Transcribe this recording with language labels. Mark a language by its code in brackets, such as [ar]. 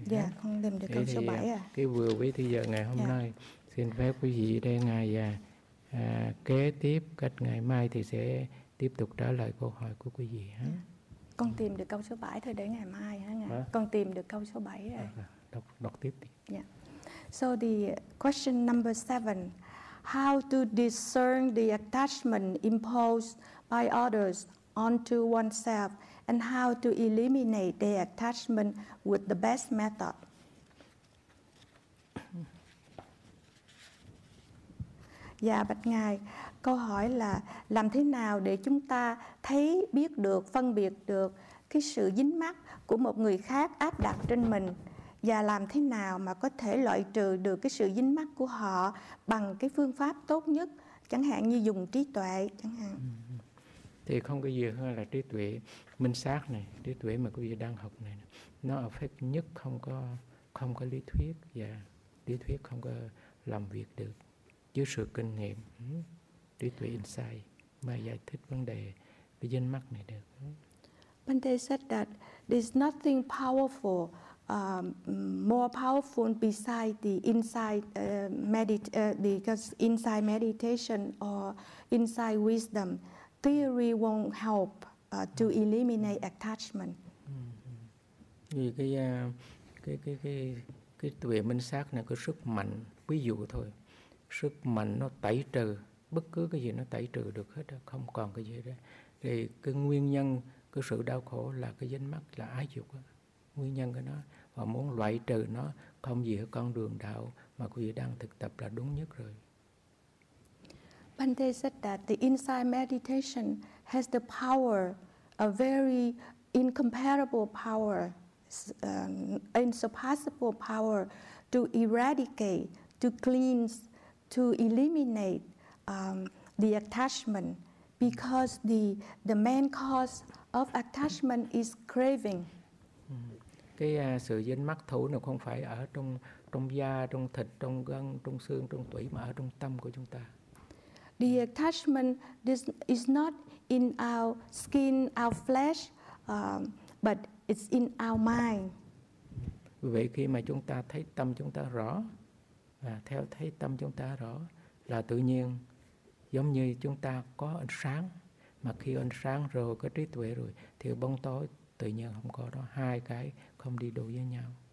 [vi] Dạ, con đem được câu số 7 à. Cái vừa với thì giờ ngày hôm nay, xin phép quý vị đây ngày kế tiếp cách ngày mai thì sẽ tiếp tục trả lời câu hỏi của quý vị hả? Con tìm được câu số 7 thôi, để ngày mai hả ngài? Hả? Con tìm được câu số 7 rồi. Đọc tiếp đi. Dạ. [en] So the question number 7, how to discern the attachment imposed by others onto oneself and how to eliminate the attachment with the best method? [vi] Dạ bạch ngài, câu hỏi là làm thế nào để chúng ta thấy, biết được, phân biệt được cái sự dính mắc của một người khác áp đặt trên mình? Và làm thế nào mà có thể loại trừ được cái sự dính mắc của họ bằng cái phương pháp tốt nhất, chẳng hạn như dùng trí tuệ, chẳng hạn. Thì không có gì hơn là trí tuệ minh sát này, trí tuệ mà quý vị đang học này. Nó effect nhất, không có lý thuyết, và lý thuyết không có làm việc được. Chứ sự kinh nghiệm, trí tuệ insight mà giải thích vấn đề cái dính mắc này được. [en] Bhante said that there's nothing powerful, more powerful besides the inside because inside meditation or inside wisdom, theory won't help to eliminate attachment. [vi] Vì cái tuệ minh sát này có sức mạnh, ví dụ thôi, sức mạnh nó tẩy trừ bất cứ cái gì, nó tẩy trừ được hết, không còn cái gì đó. Thì cái nguyên nhân cái sự đau khổ là cái dính mắc, là ái dục đó. Nguyên nhân của nó, và muốn loại trừ nó, không gì ở con đường đạo mà quý vị đang thực tập là đúng nhất rồi. [en] Bhante said that the inside meditation has the power, a very incomparable power, insurpassable power to eradicate, to cleanse, to eliminate the attachment, because the main cause of attachment is craving. [vi] Cái sự dính mắc thủ nó không phải ở trong trong da, trong thịt, trong gân, trong xương, trong tủy, mà ở trong tâm của chúng ta. [en] The attachment is not in our skin, our flesh, but it's in our mind. [vi] Vì vậy khi mà chúng ta thấy tâm chúng ta rõ, và theo thấy tâm chúng ta rõ là tự nhiên giống như chúng ta có ánh sáng, mà khi ánh sáng rồi có trí tuệ rồi thì bóng tối tự nhiên không có đó, hai cái không đi đôi với nhau.